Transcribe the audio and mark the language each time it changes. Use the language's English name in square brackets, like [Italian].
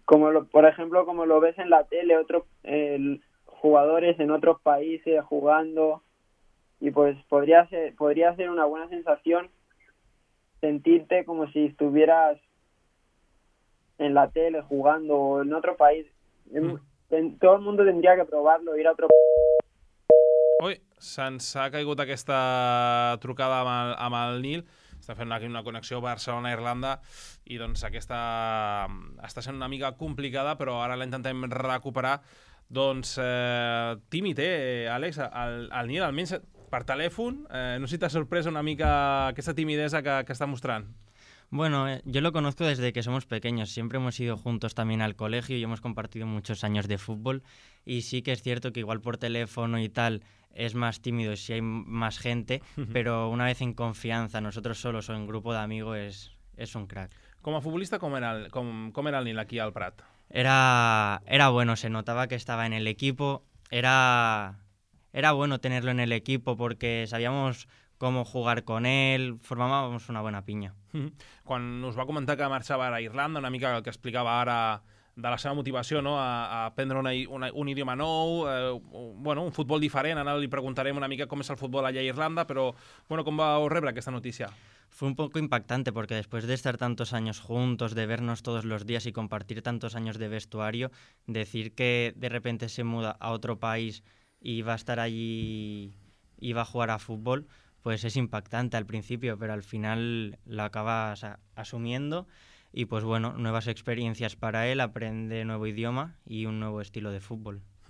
[Spanish] como lo, por ejemplo, como lo ves en la tele, otros jugadores en otros países jugando, y pues podría ser una buena sensación sentirte como si estuvieras en la tele jugando o en otro país. Todo el mundo tendría que probarlo, ir a otro país. [Catalan] Ui, se'ns ha caigut aquesta trucada amb el Nil. Està fent aquí una connexió Barcelona-Irlanda i doncs aquesta està sent una mica complicada, però ara la intentem recuperar. Doncs, Àlex, el Nil, almenys per telèfon, no sé si t'ha sorprès una mica aquesta timidesa que està mostrant. [Spanish] Bueno, yo lo conozco desde que somos pequeños. Siempre hemos ido juntos también al colegio y hemos compartido muchos años de fútbol. Y sí que es cierto que igual por teléfono y tal es más tímido si hay más gente, pero una vez en confianza, nosotros solos o en grupo de amigos, es un crack. Como futbolista, ¿cómo era el Nil aquí al Prat? Era bueno, se notaba que estaba en el equipo. Era bueno tenerlo en el equipo porque sabíamos cómo jugar con él, formábamos una buena piña. [Catalan] Quan us va comentar que marxava ara a Irlanda, una mica el que explicava ara de la seva motivació, no? a aprendre un idioma nou, bueno, un futbol diferent, ara li preguntarem una mica com és el futbol allà a Irlanda, però bueno, com vau rebre aquesta notícia? [Spanish] Fue un poco impactante porque después de estar tantos años juntos, de vernos todos los días y compartir tantos años de vestuario, decir que de repente se muda a otro país y va a estar allí y va a jugar a futbol, pues es impactante al principio, pero al final lo acabas asumiendo y pues bueno, nuevas experiencias para él, aprende nuevo idioma y un nuevo estilo de fútbol.